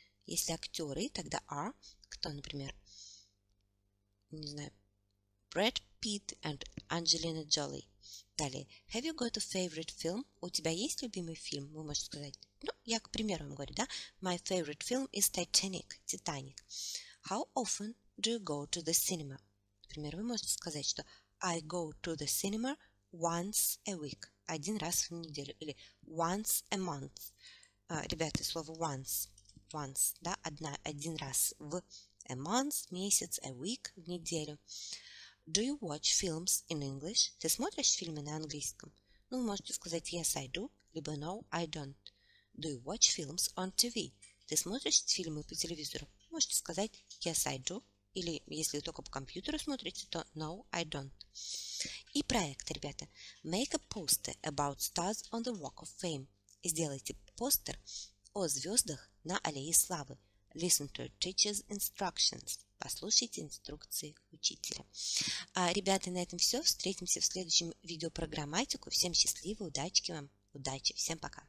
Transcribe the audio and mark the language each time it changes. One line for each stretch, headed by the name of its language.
Russian: Если актеры, тогда are. Кто, например, не знаю, Брэд Питт and Анджелина Джоли. Далее.
English: Have you got a favorite film?
Russian: У тебя есть любимый фильм? Вы можете сказать. Ну, я к примеру вам говорю, да?
English: My favorite film is Titanic. Титаник. How often do you go to the cinema?
Russian: Например, вы можете сказать, что
English: I go to the cinema once a week.
Russian: Один раз в неделю. Или
English: once a month.
Russian: Ребята, слово once. Once, да, один раз в a month, месяц, a week, в неделю.
English: Do you watch films in English?
Russian: Ты смотришь фильмы на английском? Ну, вы можете сказать
English: yes, I do,
Russian: либо
English: no, I don't. Do you watch films on TV?
Russian: Ты смотришь фильмы по телевизору? Можете сказать
English: yes, I do,
Russian: или если только по компьютеру смотрите, то
English: no, I don't.
Russian: И проект, ребята.
English: Make a poster about stars on the Walk of Fame.
Russian: Сделайте постер о звездах на Аллее Славы.
English: Listen to teacher's instructions.
Russian: Послушайте инструкции учителя. А, ребята, на этом все. Встретимся в следующем видео про грамматику. Всем счастливо, удачи вам. Удачи, всем пока.